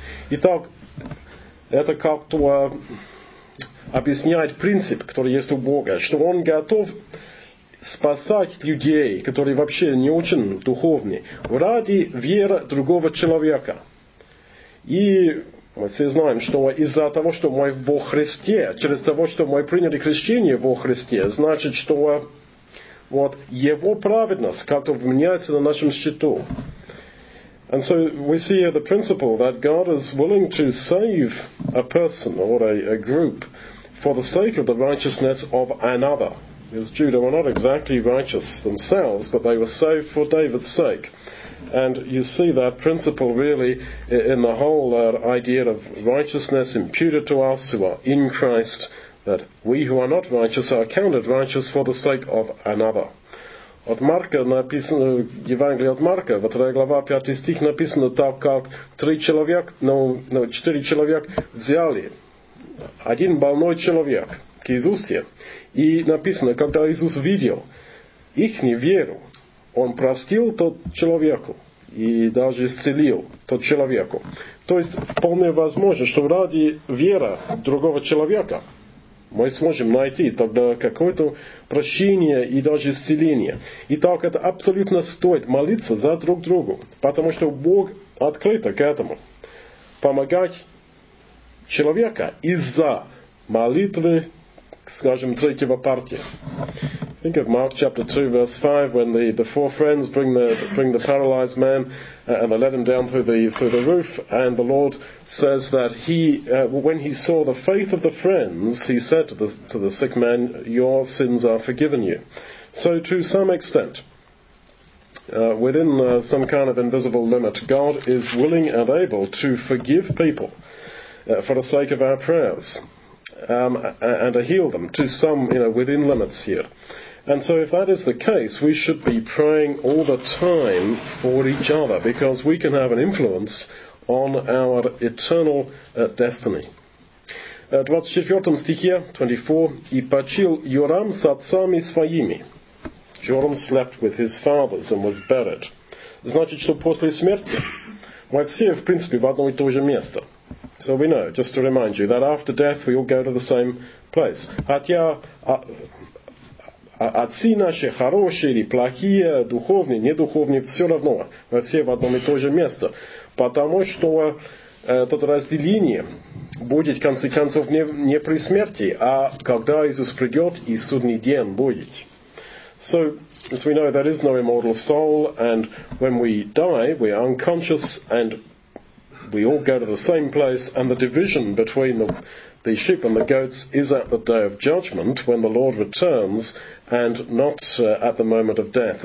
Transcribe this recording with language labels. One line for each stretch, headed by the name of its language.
Russian: Итак, это как-то объясняет принцип, который есть у Бога, что Он готов спасать людей, которые вообще не очень духовны, ради веры другого человека. И мы все знаем, что из-за того, что мы во Христе, через того, что мы приняли крещение во Христе, значит, что вот Его праведность как-то вменяется на нашем счету.
English: And so we see here the principle that God is willing to save a person or a group for the sake of the righteousness of another. Because Judah were not exactly righteous themselves, but they were saved for David's sake. And you see that principle really in the whole idea of righteousness imputed to us who are in Christ, that we who are not righteous are counted righteous for the sake of another.
Russian: От Марка написано, Евангелие от Марка, во 2 глава, 5 стих написано так, как четыре человека взяли один больной человек к Иисусе. И написано, когда Иисус видел их веру, Он простил тот человеку и даже исцелил тот человеку. То есть вполне возможно, что ради веры другого человека мы сможем найти тогда какое-то прощение и даже исцеление. И так это абсолютно стоит молиться за друг друга, потому что Бог открыт к этому. Помогать человека из-за молитвы, скажем, третьего партия.
English: Think of Mark chapter 2, verse 5, when the four friends bring the paralyzed man and they let him down through the roof, and the Lord says that he when he saw the faith of the friends, he said to the sick man, your sins are forgiven you. So to some extent, within some kind of invisible limit, God is willing and able to forgive people for the sake of our prayers and to heal them to some, within limits here. And so if that is the case, we should be praying all the time for each other, because we can have an influence on our eternal destiny.
Russian: 24 стихе, 24, «И почил Йорам с отцами своими».
English: Йорам slept with his fathers and was buried.
Russian: Значит, что после смерти мы все, в принципе, в одно и то же место.
English: So we know, just to remind you, that after death we all go to the same place.
Russian: Хотя отцы наши хорошие или плохие, духовные, недуховные, все равно, мы все в одном и то же место. Потому что это разделение будет, в конце концов, не при смерти, а когда Иисус придет и судный день будет.
English: So, as we know, there is no immortal soul, and when we die, we are unconscious, and we all go to the same place, and the division between the sheep and the goats is at the day of judgment, when the Lord returns, and not at the moment of death.